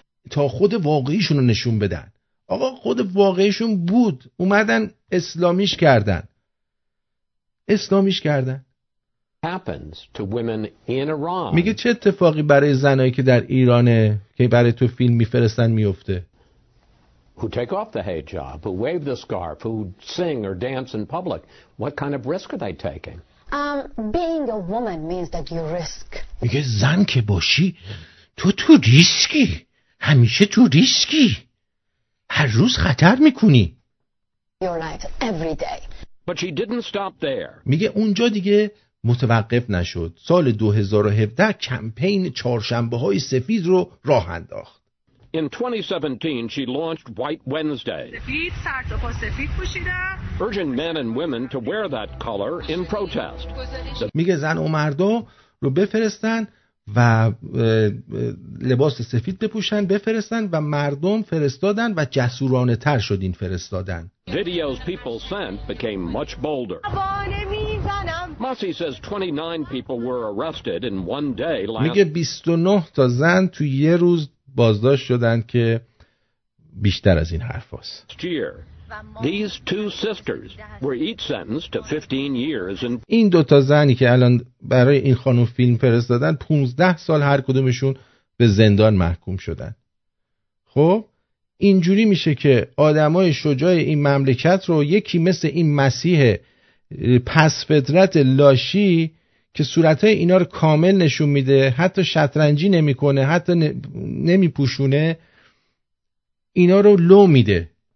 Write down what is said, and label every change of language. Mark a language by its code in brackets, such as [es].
[fa] تا خود واقعیشون رو نشون بدن. آقا خود واقعیشون بود، اومدن اسلامیش کردن، اسلامیش کردن. [en] Happens to women in Iran. [fa] میگه چه اتفاقی برای زنایی که در ایرانه که برای تو فیلم میفرستن میفته. [en] Who take off the hijab, who wave the scarf, who sing or dance in public. What kind of risk are they taking? Being a woman means that you risk. [fa] میگه زن که باشی تو ریسکی، همیشه تو ریسکی، هر روز خطر میکنی. [en] Your life every day. But she didn't stop there. [fa] میگه اونجا دیگه متوقف نشد. سال 2017 کمپین چهارشنبه های سفید رو راه انداخت. [en] In 2017 she launched White Wednesday. [fa] سفید سرتا پا سفید پوشیدن. [en] Urging men and women to wear that color in protest. [fa] میگه زن و مردا رو بفرستن و لباس سفید بپوشن، بفرستن و مردم فرستادن و جسورانه تر شد این فرستادن. [en] Videos people sent became much bolder. Massey says 29 people were arrested in one day. [fa] میگه 29 تا زن تو یه روز بازداشت شدن که بیشتر از این حرفاست. [en] These two sisters were each sentenced to 15 years. [fa] این دو تا زنی که الان برای این خانم فیلم فرستادن 15 سال هر کدومشون به زندان محکوم شدن. خب اینجوری میشه که آدمای شجاع این مملکت رو یکی مثل این مسیح پس فطرت لاشی که صورتهای اینا رو کامل نشون میده، حتی شطرنجی نمی کنه، حتی نمی پوشونه، اینا رو لو میده.